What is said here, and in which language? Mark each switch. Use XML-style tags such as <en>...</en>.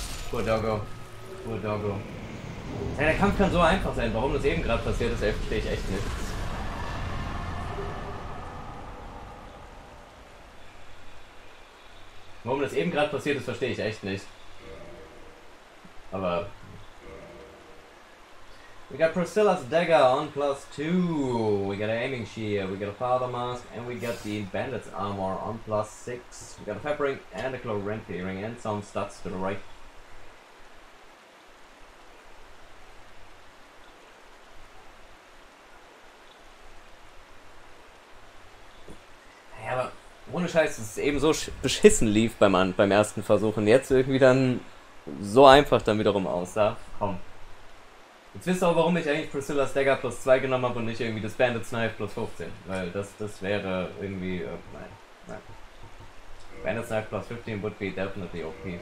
<en>Cool, Doggo. Cool, Doggo.</en> <de>Ja, der Kampf kann so einfach sein. Warum das eben gerade passiert ist, verstehe ich echt nicht. Warum das eben gerade passiert ist, verstehe ich echt nicht. Aber...</de> <en>We got Priscilla's dagger on plus 2. We got an aiming shear, we got a father mask, and we got the bandit's armor on plus 6. We got a pepper ring and a chlorinth ring and some studs to the right.</en> <de>Ohne Scheiß, dass es eben so beschissen lief beim ersten Versuch und jetzt irgendwie dann so einfach dann wiederum aussah. Komm. Jetzt wisst ihr auch, warum ich eigentlich Priscilla's Dagger plus 2 genommen habe und nicht irgendwie das Bandit's Knife plus 15. Weil das wäre irgendwie. Nein.</de> <en>Bandit's Knife plus 15 would be definitely OP.</en>